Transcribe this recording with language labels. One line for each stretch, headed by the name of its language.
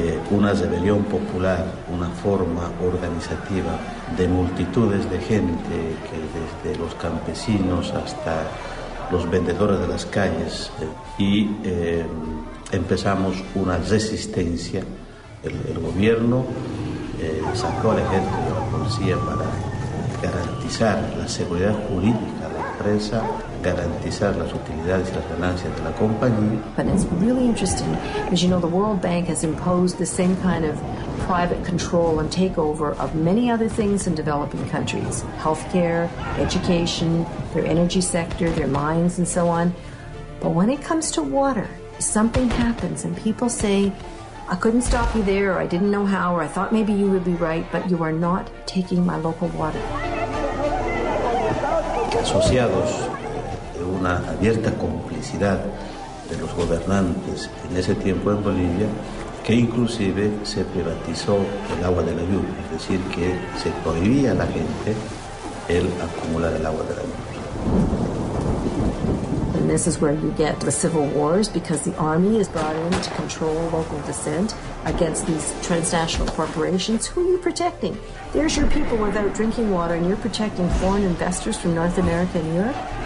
Spanish: Una rebelión popular, una forma organizativa de multitudes de gente, que desde los campesinos hasta los vendedores de las calles, y empezamos una resistencia. El gobierno sacó al ejército y a la policía para garantizar la seguridad jurídica de la empresa, garantizar las utilidades y las ganancias de la compañía.
English: But it's really interesting, as you know, the World Bank has imposed the same kind of private control and takeover of many other things in developing countries: healthcare, education, their energy sector, their mines, and so on. But when it comes to water, something happens and people say, I couldn't stop you there, or I didn't know how, or I thought maybe you would be right, but you are not taking my local water.
Spanish: Asociados de una abierta complicidad de los gobernantes en ese tiempo en Bolivia, que inclusive se privatizó el agua de la lluvia, es decir, que se prohibía a la gente el acumular el agua de la lluvia.
English: And this is where you get the civil wars, because the army is brought in to control local dissent against these transnational corporations. Who are you protecting? There's your people without drinking water, and you're protecting foreign investors from North America and Europe?